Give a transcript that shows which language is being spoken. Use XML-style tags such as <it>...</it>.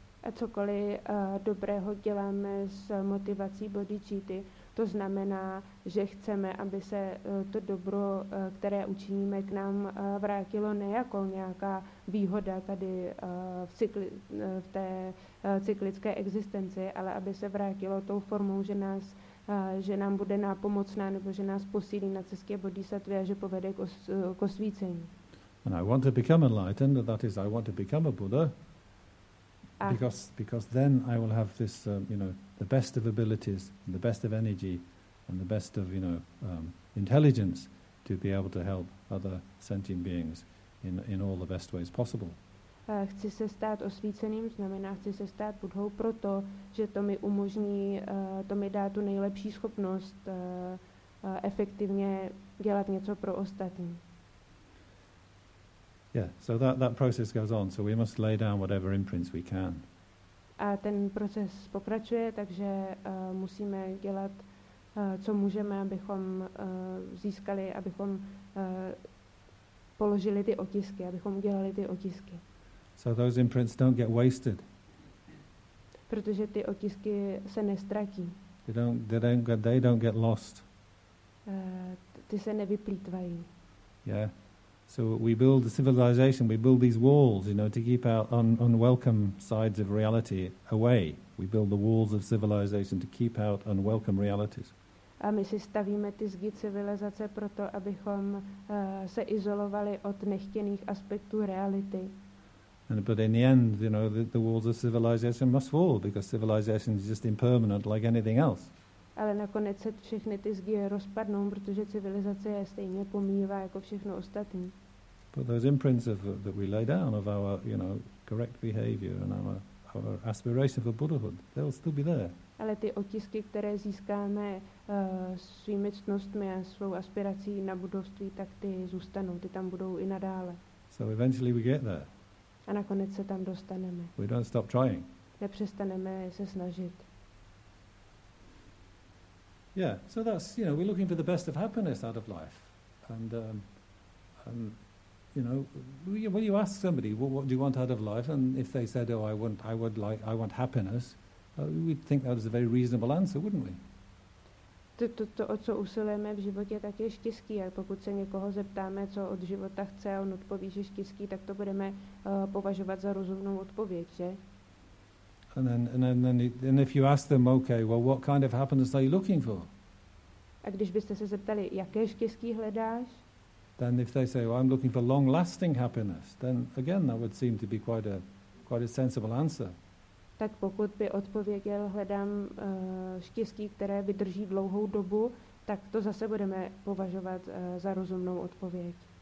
<cs>A cokoliv dobrého děláme s motivací bodhicitty, to znamená, že chceme, aby se to dobro, které učiníme, k nám vrátilo ne jako nějaká výhoda tady v té cyklické existenci, ale aby se vrátilo tou formou, že nás, že nám bude nápomocná nebo že nás posílí na cestě bodhisattvy a že povede k osvícení.</cs> <en>And I want to become enlightened, that is, I want to become a Buddha. Because then I will have this, you know, the best of abilities, and the best of energy, and the best of, you know, intelligence to be able to help other sentient beings in all the best ways possible.</en> <cs>Chci se stát osvíceným, znamená, chci se stát Buddhou proto, že to mi umožní, to mi dá tu nejlepší schopnost efektivně dělat něco pro ostatní.</cs> <en>Yeah, so that process goes on. So we must lay down whatever imprints we can.</en> <cs>A ten proces pokračuje, takže musíme dělat, co můžeme, abychom získali, abychom položili ty otisky, abychom udělali ty otisky.</cs> <en>So those imprints don't get wasted.</en> <cs>Protože ty otisky se nestratí.</cs> <en>They don't get lost.</en> <cs>Ty se nevyplýtvají.</cs> <en>Yeah. So we build the civilization, we build these walls, you know, to keep out unwelcome sides of reality away. We build the walls of civilization to keep out unwelcome realities.</en> <cs>A my si stavíme ty zdi civilizace proto, abychom se izolovali od nechtěných aspektů reality.</cs> <en>And but in the end, you know, the walls of civilization must fall because civilization is just impermanent like anything else.</en> <cs>Ale nakonec se všechny ty zdi rozpadnou, protože civilizace je stejně pomývá jako všechno ostatní.</cs> <en>But those imprints of that we lay down of our, you know, correct behavior and our aspiration for Buddhahood, they'll still be there.</en> <cs>Ale ty otisky, které získáme svými ctnostmi a svou aspirací na budovství, tak ty zůstanou, ty tam budou i nadále.</cs> <en>So eventually we get there.</en> <cs>A nakonec se tam dostaneme.</cs> <en>We don't stop trying.</en> <cs>Nepřestaneme se snažit.</cs> <en>Yeah, so that's, you know, we're looking for the best of happiness out of life. And you know, when you ask somebody, what do you want out of life? And if they said, oh, I want happiness, we'd think that was a very reasonable answer, wouldn't we?</en> <cs>To, o co usilujeme v životě, tak je štěstí. A pokud se někoho zeptáme, co od života chce, on odpoví, že štěstí, tak to budeme považovat za rozumnou odpověď, že?</cs> <en>And if you ask them, okay, well, what kind of happiness are you looking for?</en> <cs>A když byste se zeptali, jaké štěstí hledáš?</cs> <en>Then if they say, well, I'm looking for long-lasting happiness, then again, that would seem to be quite a sensible answer.</en> <cs>Tak pokud by odpověděl, hledám štěstí, které vydrží dlouhou dobu, tak to zase budeme považovat za rozumnou odpověď.</cs>